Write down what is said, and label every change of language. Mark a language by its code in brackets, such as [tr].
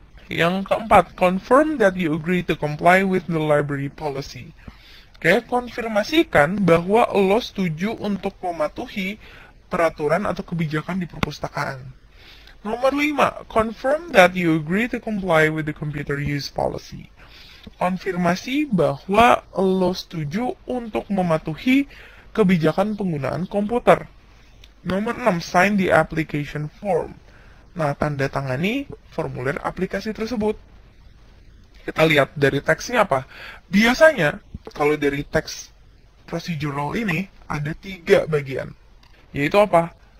[id] Yang keempat, [en] confirm that you agree to comply with the library policy. [id] Oke, konfirmasikan bahwa lo setuju untuk mematuhi peraturan atau kebijakan di perpustakaan. [en] Nomor 5, confirm that you agree to comply with the computer use policy. [id] Konfirmasi bahwa lo setuju untuk mematuhi kebijakan penggunaan komputer. Nomor 6, [en] sign the application form. [id] Nah, tanda tangani formulir aplikasi tersebut. Kita lihat dari teksnya apa. Biasanya, kalau dari teks procedural ini, ada 3 bagian. Yaitu apa?